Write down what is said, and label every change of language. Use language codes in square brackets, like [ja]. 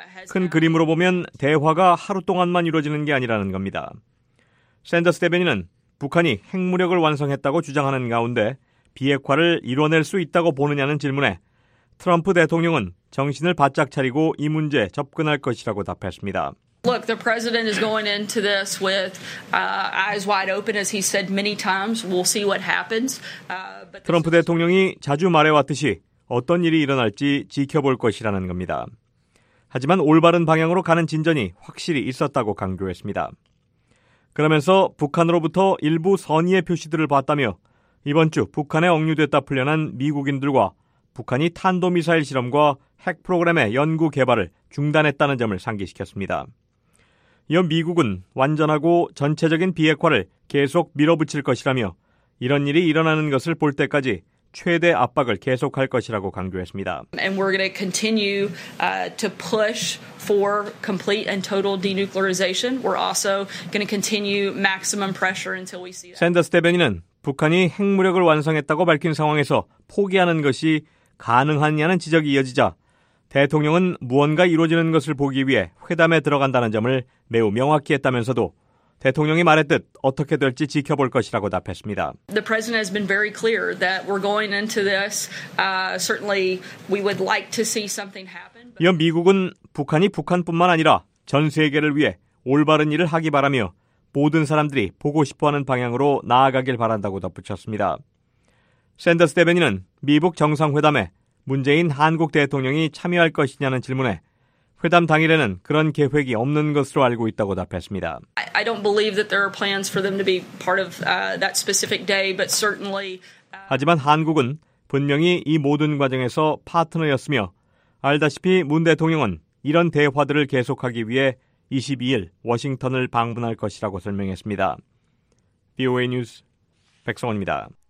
[ko] 큰 그림으로 보면 대화가 하루 동안만 이루어지는 게 아니라는 겁니다. 샌더스 대변인은 북한이 핵무력을 완성했다고 주장하는 가운데 비핵화를 이뤄낼 수 있다고 보느냐는 질문에 트럼프 대통령은 정신을 바짝 차리고 이 문제에 접근할 것이라고 답했습니다. [en] Look, the president is going into this with eyes wide open, as he said many times. We'll see what happens. [ko] 트럼프 대통령이 자주 말해왔듯이 어떤 일이 일어날지 지켜볼 것이라는 겁니다. 하지만 올바른 방향으로 가는 진전이 확실히 있었다고 강조했습니다. 그러면서 북한으로부터 일부 선의의 표시들을 봤다며 이번 주 북한에 억류됐다 풀려난 미국인들과 북한이 탄도미사일 실험과 핵 프로그램의 연구 개발을 중단했다는 점을 상기시켰습니다. 이어 미국은 완전하고 전체적인 비핵화를 계속 밀어붙일 것이라며 이런 일이 일어나는 것을 볼 때까지 최대 압박을 계속할 것이라고 강조했습니다. [en] And we're going to continue to push for complete and total denuclearization. We're also going to continue maximum pressure until we see that. [ko] 샌더스 대변인은 북한이 핵무력을 완성했다고 밝힌 상황에서 포기하는 것이 가능하냐는 지적이 이어지자 대통령은 무언가 이루어지는 것을 보기 위해 회담에 들어간다는 점을 매우 명확히 했다면서도 대통령이 말했듯 어떻게 될지 지켜볼 것이라고 답했습니다. [en] The president has been very clear that we're going into this. Certainly, we would like to see something happen. [ko] 이어 미국은 북한이 북한뿐만 아니라 전 세계를 위해 올바른 일을 하기 바라며 모든 사람들이 보고 싶어하는 방향으로 나아가길 바란다고 덧붙였습니다. 샌더스 대변인은 미북 정상회담에 문재인 한국 대통령이 참여할 것이냐는 질문에 회담 당일에는 그런 계획이 없는 것으로 알고 있다고 답했습니다. [en] I don't believe that there are plans for them to be part of that specific day, but certainly. [ko] 하지만 한국은 분명히 이 모든 과정에서 파트너였으며 알다시피 문 대통령은 이런 대화들을 계속하기 위해 22일 워싱턴을 방문할 것이라고 설명했습니다. VOA 뉴스 백성원입니다.